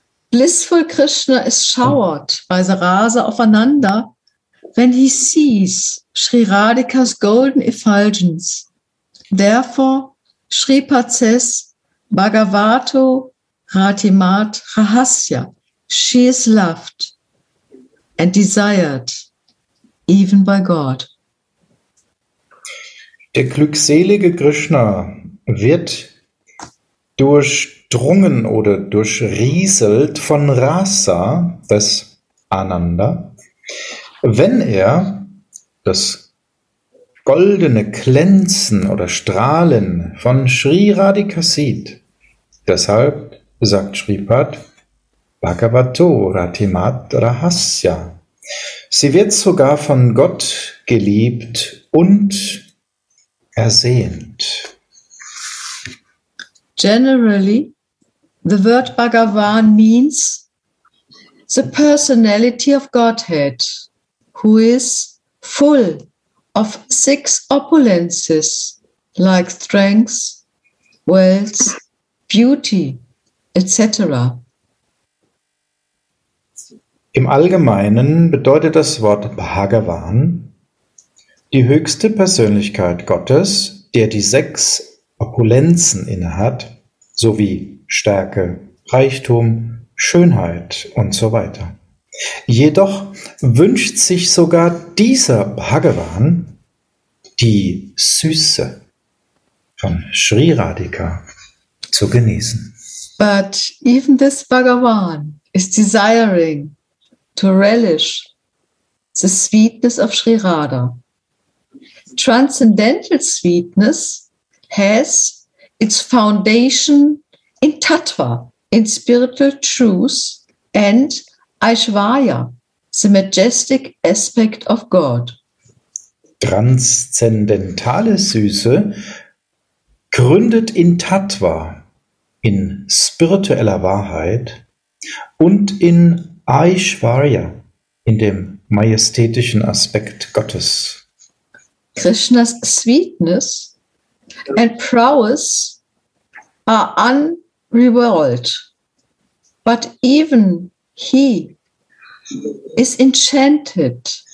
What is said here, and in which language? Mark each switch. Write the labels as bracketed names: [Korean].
[English] Blissful Krishna is showered by the rasa of Ananda when he sees Sri Radhika's golden effulgence. Therefore, Sri Patses [Sanskrit] Bhagavato Ratimat Rahasya. [English] She is loved and desired even by God. [German] Der glückselige Krishna wird durch drungen oder durchrieselt von Rasa, das Ananda, wenn er das goldene Glänzen oder Strahlen von Sri Radhika sieht. Deshalb sagt Sripad, [Sanskrit] Bhagavato Ratimat Rahasya. [German] Sie wird sogar von Gott geliebt und ersehnt. [English] Generally, the word Bhagavan means the personality of Godhead, who is full of six opulences like strength, wealth, beauty, etc. [German] Im Allgemeinen bedeutet das Wort Bhagavan die höchste Persönlichkeit Gottes, der die sechs Opulenzen innehat, sowie Stärke, Reichtum, Schönheit und so weiter. Jedoch wünscht sich sogar dieser Bhagavan die Süße von Sri Radhika zu genießen. [English] But even this Bhagavan is desiring to relish the sweetness of Sri Radha. Transcendental sweetness has its foundation in tattva, in spiritual truth, and Aishvarya, the majestic aspect of God. [German] Transzendentale Süße gründet in tattva, in spiritueller Wahrheit, und in Aishvarya, in dem majestätischen Aspekt Gottes. [English] Krishnas sweetness and prowess are unrivaled, but even he is enchanted